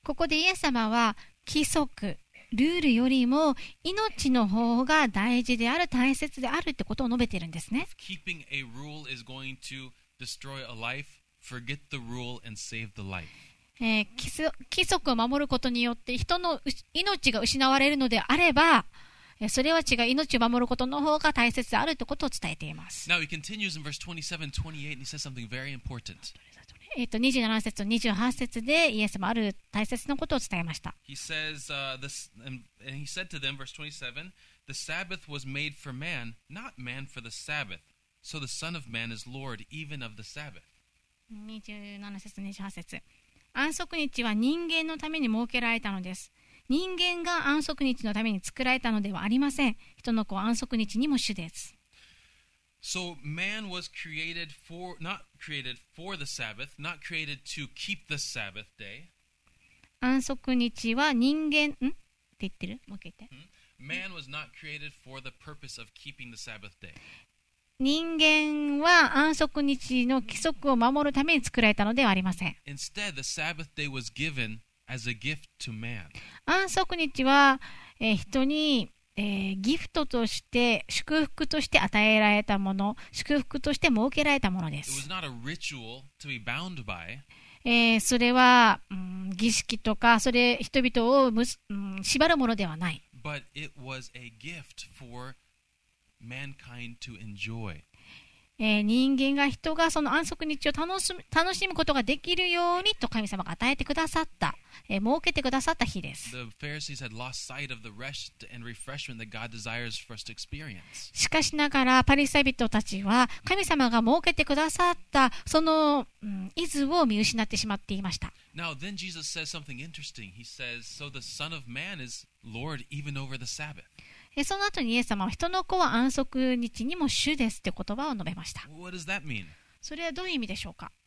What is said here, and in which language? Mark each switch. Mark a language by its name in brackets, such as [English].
[Japanese] ここでイエス様は規則、ルールよりも命の方が大事である、大切であるってことを述べてるんですね。 [English] If keeping a rule is going to destroy a life, forget the rule and save the life. [Japanese] 規則を守ることによって人の命が失われるのであれば、それは違う、命を守ることの方が大切であるということを伝えています。 [English] Now he continues in verse 27, 28 and he says something very important. [Japanese] 27節と28節でイエスもある大切なことを伝えました。 [English] He says, and he said to them, verse 27, The Sabbath was made for man, not man for the Sabbath. So the Son of Man is Lord even of the Sabbath. [Japanese] 27節と28節、安息日は人間のために設けられたのです。人間が安息日のために作られたのではありません。人の子は安息日にも主です。 [English] So man was created for, not created for the Sabbath, not created to keep the Sabbath day. [Japanese] 安息日は人間、ん？って言ってる？もう一回言って。 [English] Man was not created for the purpose of keeping the Sabbath day. [Japanese] 人間は安息日の規則を守るために作られたのではありません。 [English] Instead, the Sabbath day was given as a gift to man. [Japanese] 安息日は、人に、ギフトとして、祝福として与えられたもの、祝福として設けられたものです。 [English] It was not a ritual to be bound by. [Japanese] それは、儀式とか、それ人々を縛るものではない。 [English] But it was a gift for mankind to enjoy. [Japanese] 人間が、人がその安息日を楽しむことができるようにと神様が与えてくださった、設けてくださった日です。 [English] The Pharisees had lost sight of the rest and refreshment that God desires for us to experience. [Japanese] しかしながらパリサイ人たちは神様が設けてくださったその、意図を見失ってしまっていました。 [English] Now then Jesus says something interesting. He says, so the Son of Man is Lord even over the Sabbath. [Japanese] その後にイエス様は人の子は安息日にも主ですって言葉を述べました。 [English] What does that mean? [Japanese] それはどういう意味でしょうか。